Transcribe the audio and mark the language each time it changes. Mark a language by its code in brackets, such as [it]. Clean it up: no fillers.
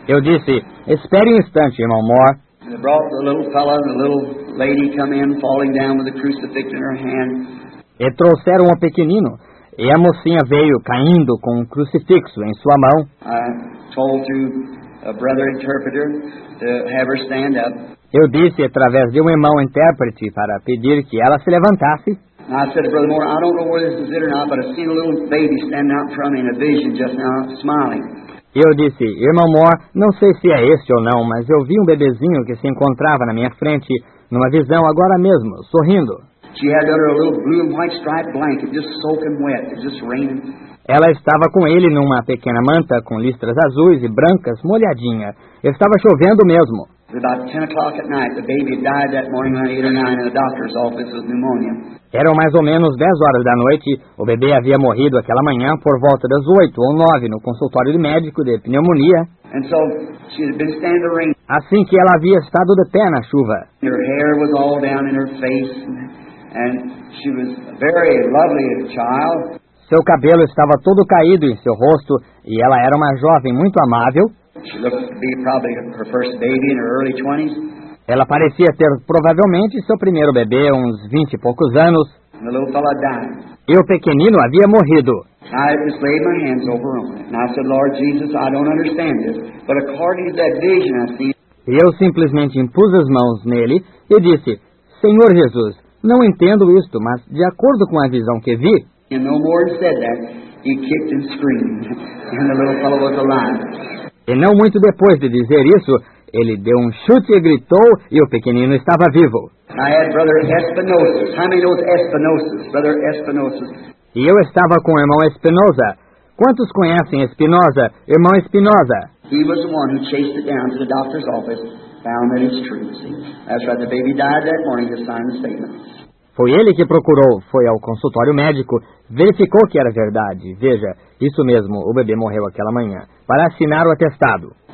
[pt] Eu disse, espere um instante, irmão Moore. [en] They brought the little fella and the little lady come in, falling down with a crucifix in her hand. [pt] E trouxeram o pequenino, e a mocinha veio caindo com um crucifixo em sua mão. [en] I told to a brother interpreter to have her stand up. [pt] Eu disse, através de um irmão intérprete, para pedir que ela se levantasse. [en] I said, Brother Moore, I don't know whether this is it or not, but I seen a little baby standing out in front of me in a vision just now, smiling. [pt] Eu disse, irmão Moore, não sei se é este ou não, mas eu vi um bebezinho que se encontrava na minha frente, numa visão agora mesmo, sorrindo. [en] She had under a little blue and white striped blanket, just soaking wet, just raining. [pt] Ela estava com ele numa pequena manta com listras azuis e brancas, molhadinha. Estava chovendo mesmo. [en] About 10 o'clock at night, the baby died that morning around 8 or 9 in the doctor's office with pneumonia. [pt] Eram mais ou menos 10 horas da noite. O bebê havia morrido aquela manhã por volta das 8 ou 9 no consultório de médico de pneumonia. [en] And so she had been standing in the rain. [pt] Assim que ela havia estado de pé na chuva. [en] Her hair was all down in her face, and she was a very lovely child. [pt] Seu cabelo estava todo caído em seu rosto, e ela era uma jovem muito amável. [en] She looked to be probably her first baby in her early 20s. [pt] Ela parecia ter provavelmente seu primeiro bebê, uns 20 e poucos anos. [en] And the little fellow died. [pt] E o pequenino havia morrido. [en] I just laid my hands over him. And I said, Lord Jesus, I don't understand this. But according to that vision I see. [pt] E eu simplesmente impus as mãos nele e disse, Senhor Jesus, não entendo isto, mas de acordo com a visão que vi. [en] E no more said that, he kicked and screamed. And the little fellow was alive. [pt] E não muito depois de dizer isso, Ele deu chute e gritou, e o pequenino estava vivo. [en] I had Brother Espinosa. How many knows Espinosa? Brother Espinosa. [pt] E eu estava com o irmão Espinosa. Quantos conhecem Espinosa? Irmão Espinosa. [en] He was the one who chased it down to the doctor's office, found that it's true. That's right, the baby died that morning to sign the statement. [pt] Foi ele que procurou, foi ao consultório médico, verificou que era verdade. Veja, isso mesmo, o bebê morreu aquela manhã, para assinar o atestado.